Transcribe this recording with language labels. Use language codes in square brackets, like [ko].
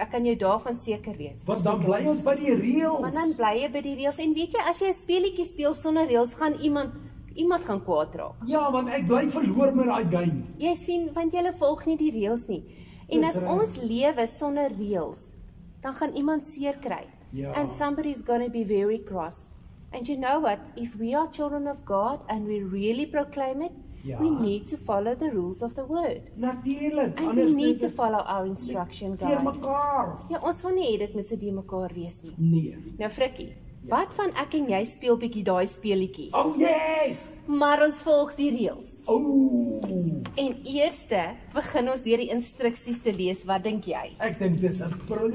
[af] Ek kan jou daarvan seker wees. Want dan bly ons by die reëls. Want dan bly jy by die reëls en weet jy, as jy 'n speletjie speel sonder reëls, gaan iemand gaan kwaad raak. Ja, want ek bly verloor met daai game. Jy sien, want jy volg nie die reëls nie. En as ons lewe sonder reëls, dan gaan iemand seer kry. Ja. [en] And somebody is going to be very cross. And you know what? If we are children of God and we really proclaim it, we need to follow the rules of the word. [af] Natuurlik. [en] And we need to follow our instruction guide. [af] Teer mekaar. Ja, ons wil nie hê dit moet so die mekaar wees nie. Nee. Nou Frikkie, wat van ek en jy speel bietjie daai speletjie? [en] Oh yes! [af] Maar ons volg die reëls. Oh. En eerste begin ons deur die instruksies te lees. Wat dink jy? Ek dink dis 'n briljante.